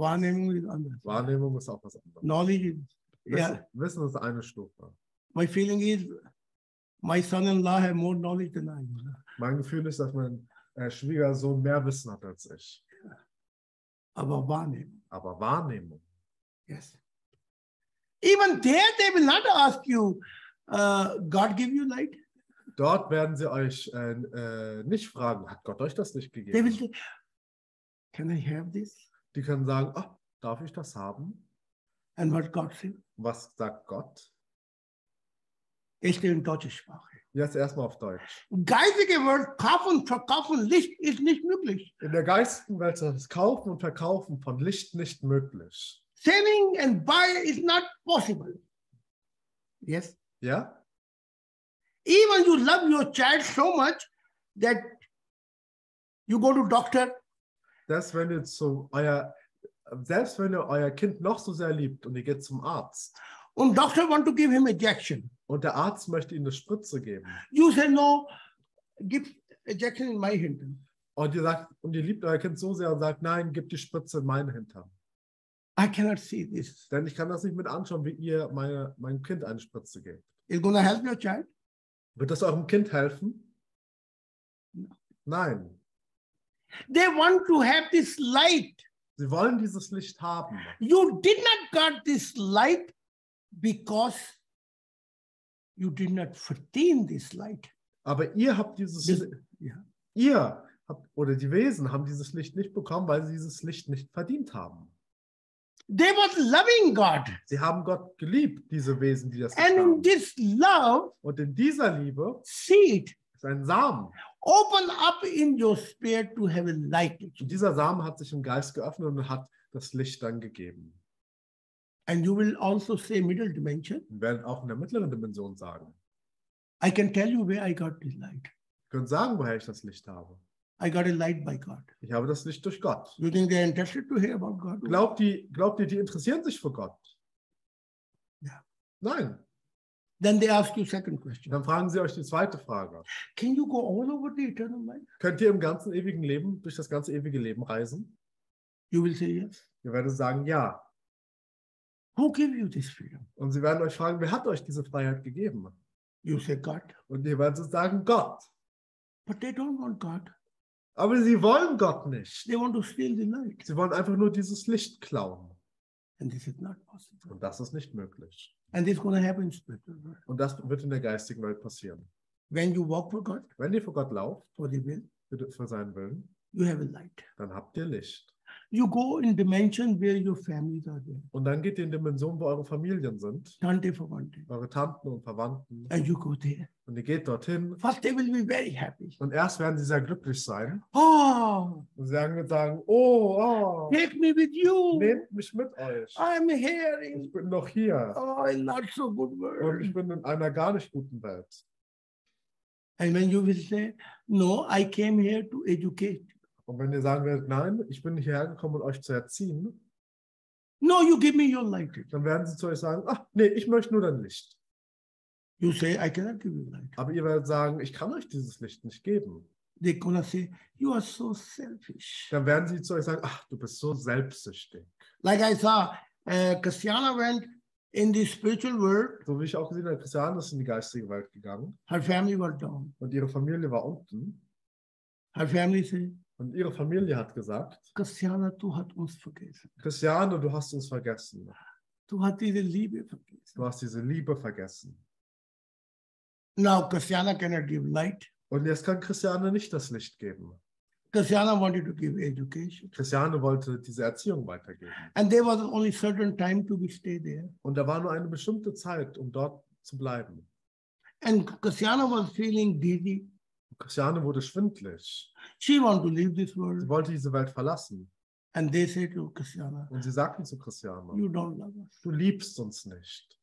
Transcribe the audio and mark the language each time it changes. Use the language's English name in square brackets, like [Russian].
[German] Wahrnehmung ist anders. Wahrnehmung ist auch was anderes. [English] Knowledge is, [German] Wissen ist eine Stufe. [English] My feeling is, my son-in-law has more knowledge than I. [German] Mein Gefühl ist, dass mein Schwiegersohn mehr Wissen hat als ich. Aber Wahrnehmung. Aber Wahrnehmung. [English] Yes. Even there, they will not ask you, God give you light. [German] Dort werden sie euch nicht fragen, hat Gott euch das nicht gegeben? [English] Say, can I have this? [German] Die können sagen, oh, darf ich das haben? [English] And what God said? [German] Was sagt Gott? Ich gehe in deutsche Sprache. Jetzt erstmal auf Deutsch. Geistige Welt, kaufen, verkaufen, Licht ist nicht möglich. In der geistigen Welt ist das Kaufen und Verkaufen von Licht nicht möglich. [English] Selling and buy is not possible. Yes. Yeah. Even you love your child so much that you go to doctor. [German] Das, wenn ihr so euer, selbst wenn ihr euer Kind noch so sehr liebt und ihr geht zum Arzt. [English] Und doctor want to give him injection. [German] Und der Arzt möchte ihm eine Spritze geben. [English] You say no, give injection in my Hintern. [German] Und ihr sagt, und ihr liebt euer Kind so sehr und sagt, nein, gib die Spritze in meinen Hintern. [English] I cannot see this. [German] Denn ich kann das nicht mit anschauen, wie ihr meinem Kind eine Spritze gebt. [English] It's gonna help your child? [German] Wird das eurem Kind helfen? [English] No. [German] Nein. [English] They want to have this light. [German] Sie wollen dieses Licht haben. [English] You did not got this light because you did not verdien this light. [German] Aber ihr habt dieses Licht. Ihr habt, oder die Wesen haben dieses Licht nicht bekommen, weil sie dieses Licht nicht verdient haben. [English] They was loving God. [German] Sie haben Gott geliebt, diese Wesen, die das [English] and [German] haben. [English] In this love, [German] und in dieser Liebe [English] seed, [German] ist ein Samen. [English] Open up in your spirit to have a light. [German] Und dieser Samen hat sich im Geist geöffnet und hat das Licht dann gegeben. [English] And you will also say middle dimension. [German] Und werden auch in der mittleren Dimension sagen. [English] I can tell you where I got this light. [German] Ich kann sagen, woher ich das Licht habe. [English] I got a light by God. [German] Ich habe das Licht durch Gott. [English] You think they're interested to hear about God? [German] Glaubt ihr, die interessieren sich für Gott? [English] Yeah. [German] Nein. [English] Then they ask you second question. [German] Dann fragen sie euch die zweite Frage. [English] Can you go all over the eternal life? [German] Könnt ihr im ganzen ewigen Leben, durch das ganze ewige Leben reisen? [English] You will say yes. [German] Ihr werdet sagen ja. [English] Who gave you this freedom? [German] Und sie werden euch fragen, wer hat euch diese Freiheit gegeben? [English] You say God. [German] Und ihr werdet sagen Gott. [English] But they don't want God. [German] Aber sie wollen Gott nicht. [English] They want to steal the light. [German] Sie wollen einfach nur dieses Licht klauen. [English] And this is not possible. [German] Und das ist nicht möglich. [English] And this is gonna happen in spiritual world. [German] Und das wird in der geistigen Welt passieren. [English] When you walk for God, [German] wenn ihr vor Gott lauft, [English] for the will, [German] für seinen Willen, [English] you have a light. [German] Dann habt ihr Licht. [English] You go in dimension where your families are there. [German] Und dann geht ihr in Dimensionen, wo eure Familien sind. Tante, Verwandte. Eure Tanten und Verwandten. [English] And you go there. [German] Und ihr geht dorthin. [English] First they will be very happy. [German] Und erst werden sie sehr glücklich sein. Oh. Und sie werden sagen, oh, oh. [English] Take me with you. [German] Nehmt mich mit euch. [English] I'm here. [German] Ich bin noch hier. [English] Oh, in not so good world. [German] Und ich bin in einer gar nicht guten Welt. [English] And when you will say, no, I came here to educate. [German] Und wenn ihr sagen werdet, nein, ich bin hierher gekommen, um euch zu erziehen. [English] No, you give me your light. [German] Dann werden sie zu euch sagen, ach, nee, ich möchte nur dein Licht. [English] You say, I cannot give you light. [German] Aber ihr werdet sagen, ich kann euch dieses Licht nicht geben. [English] They're gonna say, you are so selfish. [German] Dann werden sie zu euch sagen, ach, du bist so selbstsüchtig. [English] Like I saw, Christiana went in the spiritual world. [German] So wie ich auch gesehen habe, Christiana ist in die geistige Welt gegangen. [English] Her family was down. [German] Und ihre Familie war unten. [English] Her family said, [German] und ihre Familie hat gesagt, Christiane, du hast uns vergessen. Christiane, du hast uns vergessen. Du hast diese Liebe vergessen. Du hast diese Liebe vergessen. [English] Now Christiane cannot give light. [German] Und jetzt kann Christiane nicht das Licht geben. [English] Christiane wanted to give education. [German] Christiane wollte diese Erziehung weitergeben. [English] And there was only certain time to be stay there. [German] Und da war nur eine bestimmte Zeit, um dort zu bleiben. [English] And Christiane was feeling dizzy. [German] Christiane wurde schwindelig. [English] She wanted to leave this world. [German] Sie wollte diese Welt verlassen. [English] And they said to Christiane, [German] und sie sagten zu Christiane, [English] you don't love us. [German] Du liebst uns nicht.